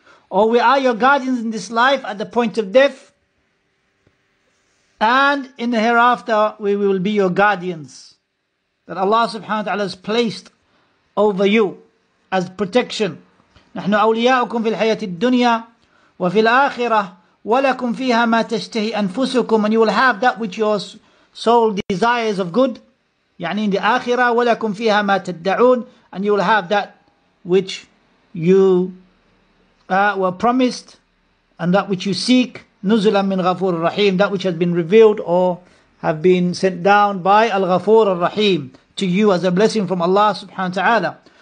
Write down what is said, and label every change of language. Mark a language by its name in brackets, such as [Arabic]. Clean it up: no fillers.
[English] Or we are your guardians in this life at the point of death. And in the hereafter, we will be your guardians. That Allah subhanahu wa ta'ala has placed over you as protection. [Arabic] نَحْنُ أَوْلِيَاؤُكُمْ فِي الْحَيَاةِ الدُّنْيَا وَفِي الْآخِرَةِ وَلَكُمْ فِيهَا مَا تَشْتَهِي أَنفُسُكُمْ. [English] And you will have that which your soul desires of good. [Arabic] يعني [English] in the [Arabic] آخِرَةِ وَلَكُمْ فِيهَا مَا تَدَّعُونَ. [English] And you will have that which you were promised and that which you seek. [Arabic] نُزُلًا مِنْ غَفُورٍ رَحِيمٍ. [English] That which has been revealed or have been sent down by Al-Ghafoor Al-Rahim to you as a blessing from Allah subhanahu wa ta'ala.